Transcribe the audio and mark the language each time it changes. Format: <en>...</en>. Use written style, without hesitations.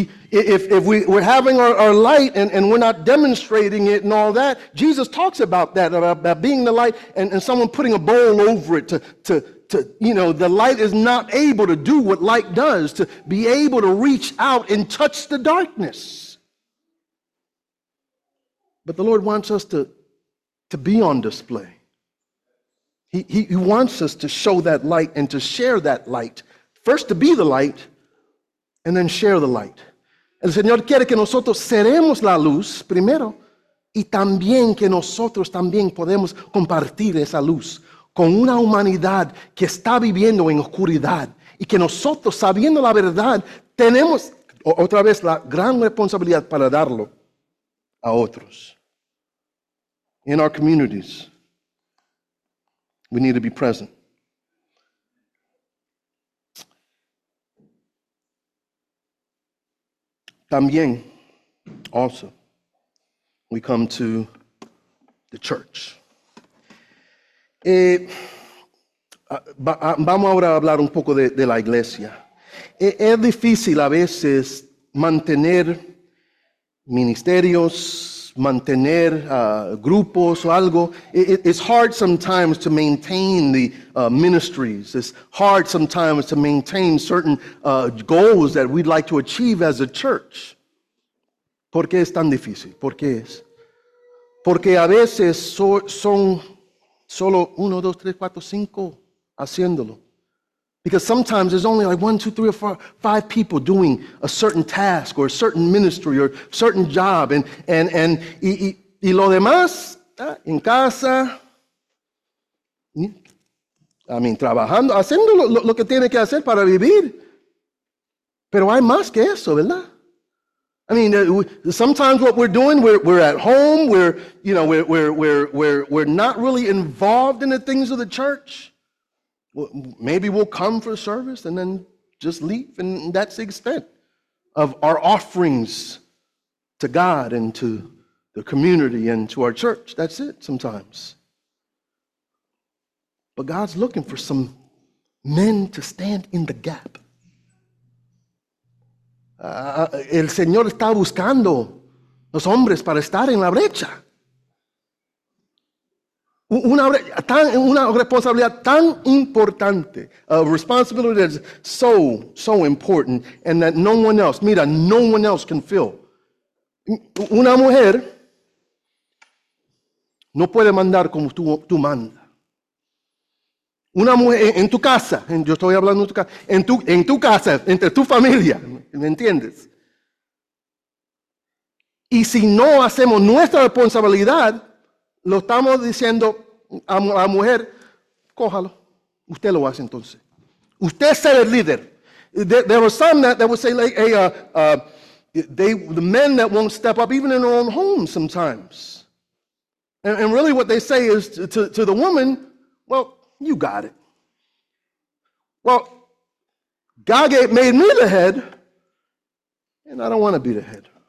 <en>If we're having our light and we're not demonstrating it and all that, Jesus talks about that, about being the light and someone putting a bowl over it to you know, the light is not able to do what light does, to be able to reach out and touch the darkness. But the Lord wants us to be on display. He wants us to show that light and to share that light. First to be the light, and then share the light.</en> <es>El Señor quiere que nosotros seremos la luz primero, y también que nosotros también podemos compartir esa luz con una humanidad que está viviendo en oscuridad, y que nosotros, sabiendo la verdad, tenemos otra vez la gran responsabilidad para darlo a otros.</es> <en>In our communities, we need to be present. También, also, we come to the church.</en> <es>Vamos ahora a hablar un poco de la iglesia. Es difícil a veces mantener ministerios, mantener grupos o algo.</es> <en>It's hard sometimes to maintain the ministries. It's hard sometimes to maintain certain goals that we'd like to achieve as a church.</en> <es>¿Por qué es tan difícil? ¿Por qué es? Porque a veces son solo 1, 2, 3, 4, 5 haciéndolo.</es> <en>Because sometimes there's only like 1, 2, 3, or 4, 5 people doing a certain task or a certain ministry or a certain job.</en> <es>Y lo demás, en casa, trabajando, haciendo lo que tiene que hacer para vivir. Pero hay más que eso, ¿verdad?</es> <en>Sometimes what we're doing, we're at home, we're not really involved in the things of the church. Maybe we'll come for a service and then just leave, and that's the extent of our offerings to God and to the community and to our church. That's it sometimes. But God's looking for some men to stand in the gap.</en> <es>El Señor está buscando los hombres para estar en la brecha. Una responsabilidad tan importante,</es> <en>a responsibility that is so, so important, and that no one else can fill.</en> <es>Una mujer no puede mandar como tú mandas. Una mujer en tu casa, yo estoy hablando de tu casa, en tu casa, entre tu familia, ¿me entiendes? Y si no hacemos nuestra responsabilidad, lo estamos diciendo a la mujer, cójalo, usted lo hace entonces. Usted es el líder.</es> <en>There are some that would say, like, the men that won't step up, even in their own homes sometimes. And really what they say is to the woman, well, you got it. Well, God made me the head, and I don't want to be the head.</en>